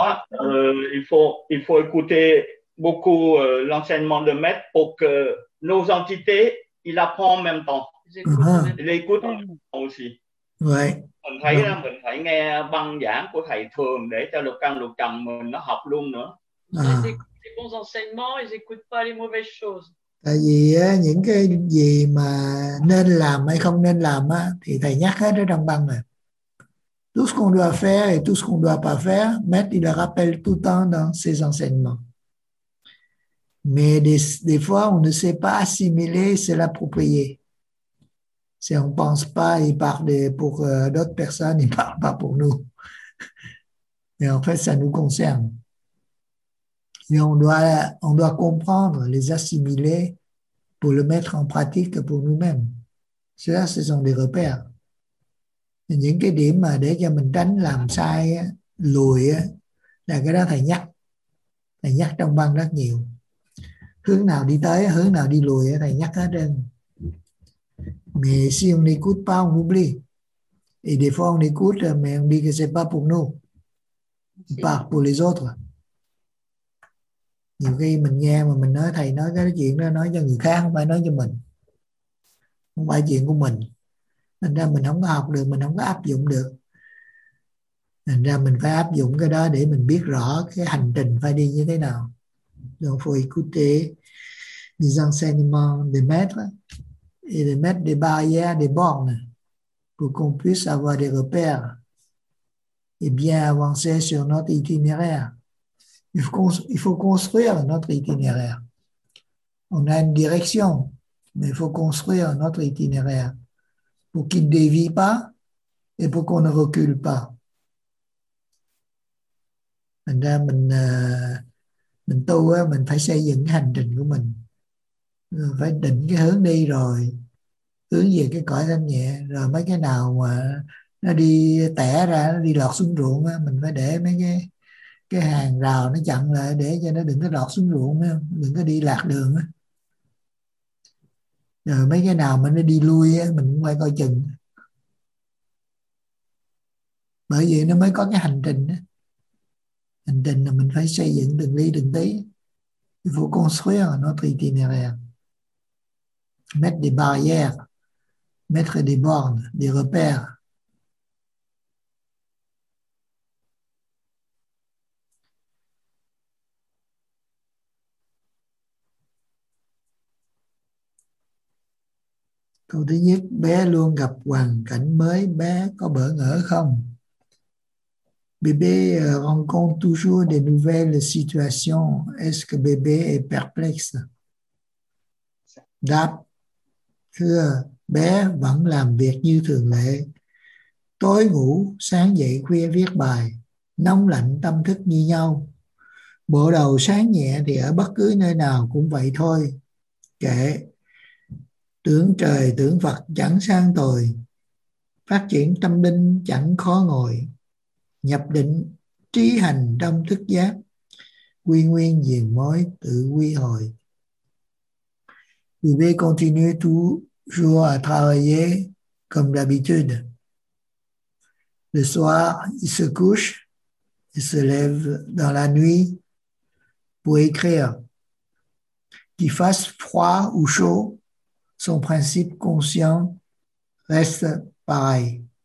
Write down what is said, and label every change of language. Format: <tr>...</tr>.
<fr>Il faut écouter beaucoup l'enseignement de maître pour que nos entités il apprend en même temps. Il écoute en même temps aussi. Ouais.</fr> <vi>Mình thấy là mình phải nghe băng giảng của thầy thường để cho lục căn lục trần mình nó học luôn nữa.</vi> <fr>Les bons enseignements, ils écoutent pas les mauvaises choses.</fr> <vi>Tại vì những cái gì mà nên làm hay không nên làm thì thầy nhắc hết ở trong băng này.</vi> <fr>Tout ce qu'on doit faire et tout ce qu'on ne doit pas faire, maître il le rappelle tout le temps dans ses enseignements. Mais des fois, on ne sait pas assimiler, se l'approprier. Si on ne pense pas, il parle pour d'autres personnes, il ne parle pas pour nous. Mais en fait, ça nous concerne. Mais on doit comprendre, les assimiler pour le mettre en pratique pour nous-mêmes. Cela, ce sont des repères.</fr> <vi>Những cái điểm mà để cho mình tránh làm sai, lùi, là cái đó thầy nhắc. Thầy nhắc trong băng rất nhiều. Hướng nào đi tới, hướng nào đi lùi, thầy nhắc hết trơn.</vi> <fr>Mais si on n'écoute pas, on oublie. Et des fois, on écoute, mais on dit que c'est pas pour nous. On part pour les autres.</fr> <vi>Nhiều khi mình nghe mà mình nói thầy nói cái chuyện đó nói cho người khác, không phải nói cho mình. Không phải chuyện của mình. Thành ra mình không có học được, mình không có áp dụng được. Thành ra mình phải áp dụng cái đó để mình biết rõ cái hành trình phải đi như thế nào.</vi> <fr>Donc faut écouter les enseignements des maîtres et de mettre des barrières, des bornes pour qu'on puisse avoir des repères et bien avancer sur notre itinéraire. Il faut construire notre itinéraire. On a une direction, mais il faut construire notre itinéraire pour qu'il ne dévie pas et pour qu'on ne recule pas.</fr> <vi>Thành ra mình tu á, mình phải xây dựng cái hành trình của mình. Phải định cái hướng đi rồi, hướng về cái cõi thanh nhẹ, rồi mấy cái nào mà nó đi tẻ ra, nó đi lọt xuống ruộng á, mình phải để mấy cái hàng rào nó chặn lại để cho nó đừng có lọt xuống ruộng, đừng có đi lạc đường. Rồi mấy cái nào mà nó đi lui mình cũng phải coi chừng. Bởi vì nó mới có cái hành trình. Hành trình là mình phải xây dựng từng ly từng tí.</vi> <fr>Il faut construire notre itinéraire. Mettre des barrières. Mettre des bornes, des repères.</fr> <vi>Câu thứ nhất, bé luôn gặp hoàn cảnh mới, bé có bỡ ngỡ không?</vi> <fr>Bébé rencontre toujours des nouvelles situations. Est-ce que bébé est perplexe?</fr> <vi>Đáp, Thưa, bé vẫn làm việc như thường lệ. Tối ngủ, sáng dậy khuya viết bài, nóng lạnh tâm thức như nhau. Bộ đầu sáng nhẹ thì ở bất cứ nơi nào cũng vậy thôi. Kệ, tưởng trời tưởng Phật chẳng sang tồi. Phát triển tâm linh chẳng khó ngồi. Nhập định, trí hành trong thức giác. Quy nguyên diền mối tự quy hồi.</vi> <fr>Vous pouvez continuer toujours à travailler comme d'habitude. Le soir, il se couche, il se lève dans la nuit pour écrire. Qu'il fasse froid ou chaud, son principe conscient reste pareil.</fr>